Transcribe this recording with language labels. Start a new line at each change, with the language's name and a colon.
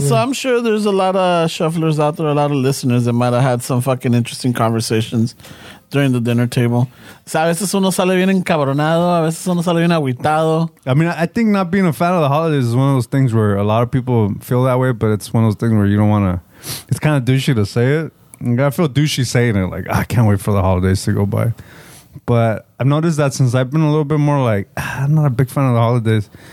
English: So I'm sure there's a lot of shufflers out there, a lot of listeners that might have had some fucking interesting conversations during the dinner table.
Spanish: A veces uno sale bien encabronado, a veces uno sale bien agüitado.
English: I mean, I think not being a fan of the holidays is one of those things where a lot of people feel that way, but it's one of those things where you don't want to, it's kind of douchey to say it. I feel douchey saying it, like, I can't wait for the holidays to go by. But I've noticed that since I've been a little bit more like, I'm not a big fan of the holidays.